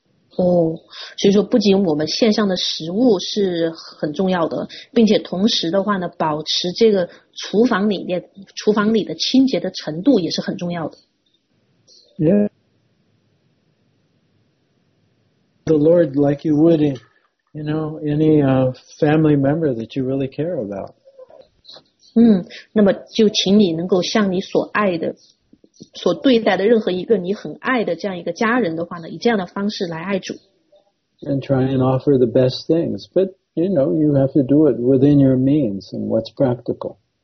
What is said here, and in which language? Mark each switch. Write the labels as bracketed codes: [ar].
[zh] 所以说不仅我们线上的食物是很重要的，并且同时的话呢，保持这个厨房里面厨房里的清洁的程度也是很重要的。Yeah. [en] The Lord, like you would, in, you know, any family member that you really care about. [zh] 那么就请你能够像你所爱的。所对待的任何一个你很爱的这样一个家人的话呢，以这样的方式来爱主。 [en] And try and offer the best things, but you know, you have to do it within your means and what's practical.